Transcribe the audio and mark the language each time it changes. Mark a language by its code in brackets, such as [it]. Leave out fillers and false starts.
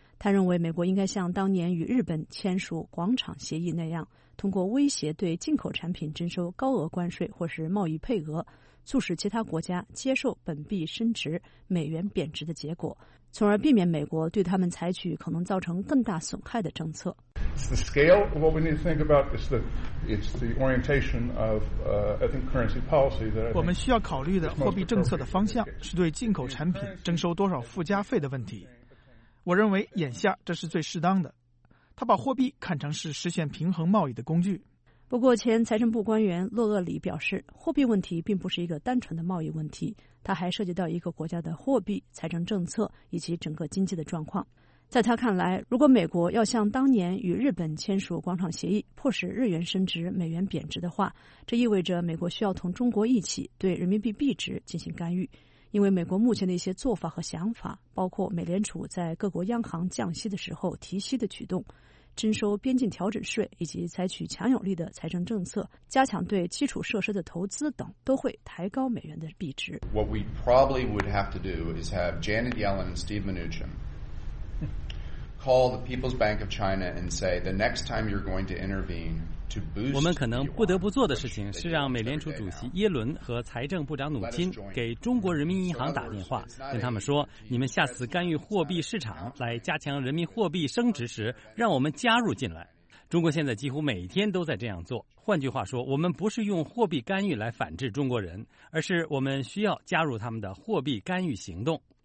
[zh] 他认为，美国应该像当年与日本签署广场协议那样，通过威胁对进口产品征收高额关税或是贸易配额，促使其他国家接受本币升值、美元贬值的结果，从而避免美国对他们采取可能造成更大损害的政策。 [en] It's the scale of what we need to think about. It's the orientation of, I think, currency policy that. [zh] 我们需要考虑的货币政策的方向是对进口产品征收多少附加费的问题。我认为眼下这是最适当的。他把货币看成是实现平衡贸易的工具。不过，前财政部官员洛厄里表示，货币问题并不是一个单纯的贸易问题，它还涉及到一个国家的货币、财政政策以及整个经济的状况。在他看来，如果美国要像当年与日本签署广场协议，迫使日元升值、美元贬值的话，这意味着美国需要同中国一起对人民币币值进行干预。因为美国目前的一些做法和想法，包括美联储在各国央行降息的时候提息的举动，征收边境调整税以及采取强有力的财政政策，加强对基础设施的投资等，都会抬高美元的币值。 [en] What we probably would have to do is have Janet Yellen and Steve Mnuchin call the People's Bank of China and say the next time you're going to intervene。 [zh] 我们可能不得不做的事情是让美联储主席耶伦和财政部长努钦给中国人民银行打电话，跟他们说，你们下次干预货币市场来加强人民货币升值时，让我们加入进来。中国现在几乎每天都在这样做，换句话说，我们不是用货币干预来反制中国人，而是我们需要加入他们的货币干预行动。